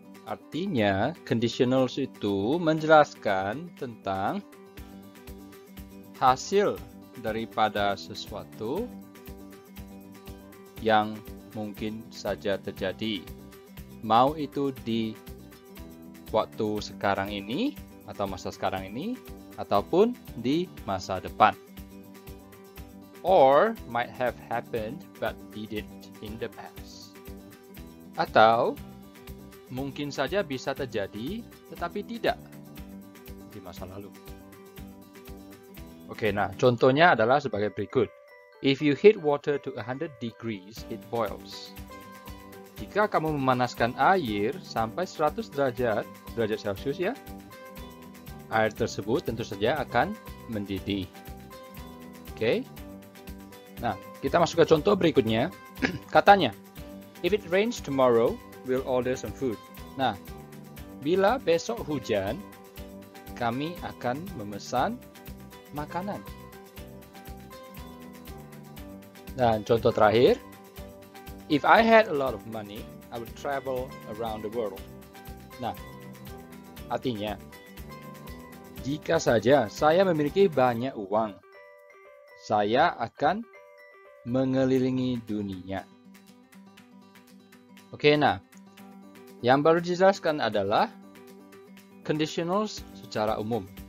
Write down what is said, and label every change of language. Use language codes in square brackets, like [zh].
[id] Artinya, conditionals itu menjelaskan tentang hasil daripada sesuatu yang mungkin saja terjadi. Mau itu di waktu sekarang ini atau masa sekarang ini, ataupun di masa depan. [en] Or might have happened but didn't in the past. [id] Atau mungkin saja bisa terjadi tetapi tidak di masa lalu. Oke, nah contohnya adalah sebagai berikut. [en] If you heat water to 100 degrees, it boils. [id] Jika kamu memanaskan air sampai 100 derajat Celsius ya, air tersebut tentu saja akan mendidih. Oke. Nah, kita masuk ke contoh berikutnya. Katanya, [en] if it rains tomorrow, we'll order some food. [id] Nah, bila besok hujan, kami akan memesan makanan. Dan contoh terakhir, [en] if I had a lot of money, I would travel around the world. [id] Nah, artinya, jika saja saya memiliki banyak uang, saya akan mengelilingi dunia. Oke, nah, yang baru dijelaskan adalah conditionals secara umum.